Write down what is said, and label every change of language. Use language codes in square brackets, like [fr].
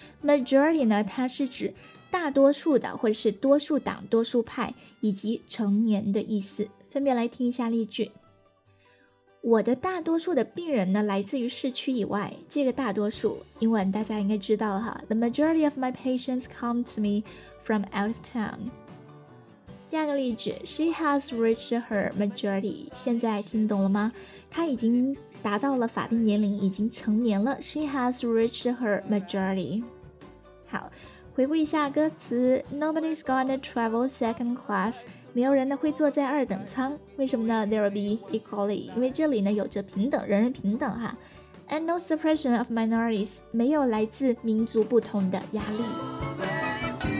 [zh] majority 呢它是指大多数的或者是多数党多数派以及成年的意思。分别来听一下例句。我的大多数的病人呢来自于市区以外，这个大多数英文大家应该知道哈。 [en] The majority of my patients come to me from out of town。 [zh] 第二个例子 [en] She has reached her majority. [zh] 现在听懂了吗？她已经达到了法定年龄，已经成年了。 [en] She has reached her majority. [zh] 好，回顾一下歌词 [en] Nobody's gonna travel second class. [zh] 没有人呢会坐在二等舱。为什么呢？ [en] There will be equality. [zh] 因为这里呢有着平等，人人平等哈。 [en] And no suppression of minorities. [zh] 没有来自民族不同的压力。